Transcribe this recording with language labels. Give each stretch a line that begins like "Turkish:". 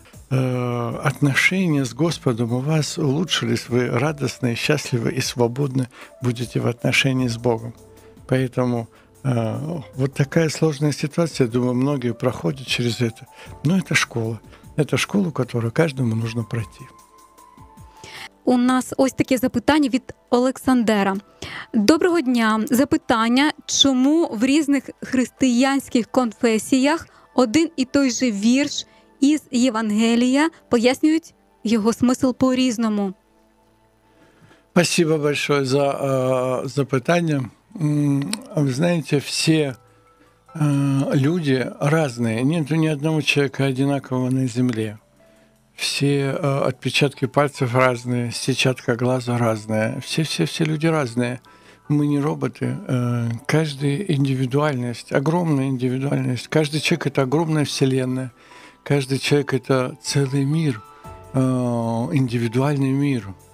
Russian: Отношения с Господом у вас улучшились, вы радостны, счастливы и свободны будете в отношении с Богом. Поэтому вот такая сложная ситуация, я думаю, многие проходят через это. Но это школа. Это школа, которую каждому нужно пройти.
Ukrainian: У нас ось таке запитання від Олександра. Доброго дня. Запитання, чому в різних християнських конфесіях один і той же вірш із Євангелія пояснюють його смисл по-різному?
Russian: Спасибо большое за запитання.
Ukrainian: Ви знаєте, всі люди різні. Нету ні одного чоловіка одинакового на землі.
Russian: Все отпечатки пальцев разные, сетчатка глаза разная. Все люди разные. Мы не роботы. Каждый индивидуальность, огромная индивидуальность. Каждый человек – это огромная вселенная. Каждый человек – это целый мир, индивидуальный мир.